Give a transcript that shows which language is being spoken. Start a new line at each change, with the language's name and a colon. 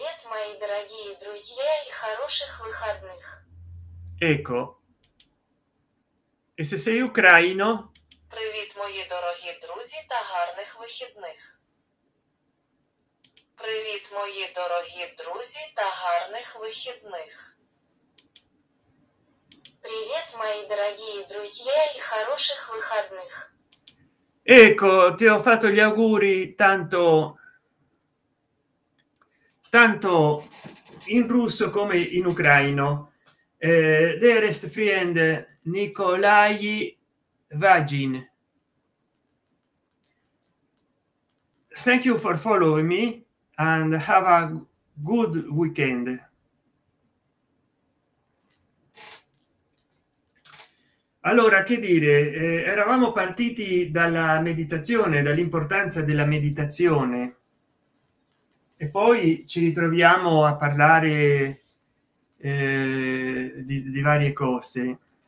Russian: Мои дорогие друзья и хороших выходных.
Italian: e se sei ucraino,
Ukrainian: Привіт, мої дорогі друзі та гарних вихідних. Привіт, мої дорогі друзі та гарних вихідних. Привіт, мої дорогі друзі і хороших вихідних.
Italian: ecco, ti ho fatto gli auguri tanto tanto in russo come in ucraino.
English: Dearest friend Nikolai Vagin, thank you for following me and have a good weekend.
Italian: Allora, che dire, eravamo partiti dalla meditazione, dall'importanza della meditazione, e poi ci ritroviamo a parlare di varie cose.